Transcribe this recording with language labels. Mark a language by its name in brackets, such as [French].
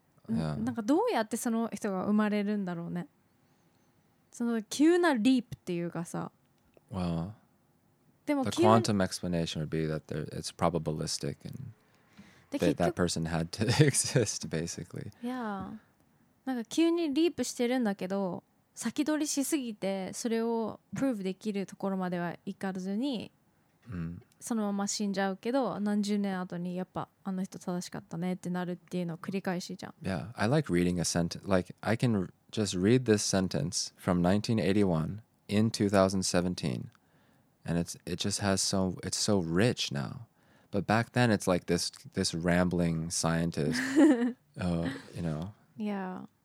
[English] Well, the quantum explanation would be that it's probabilistic and that person had to exist, basically. Yeah. [Japanese] なんか急にリープしてるんだけど、先取りしすぎてそれをプルーブできるところまでは行かずに、そのまま死んじゃうけど、何十年後にやっぱあの人正しかったねってなるっていうのを繰り返しじゃん。 [English] Yeah, I like reading a sentence. Like, I can just read this sentence from 1981 in 2017 And it just has so, it's so rich now. But back then, it's like this rambling scientist, you know. Yeah.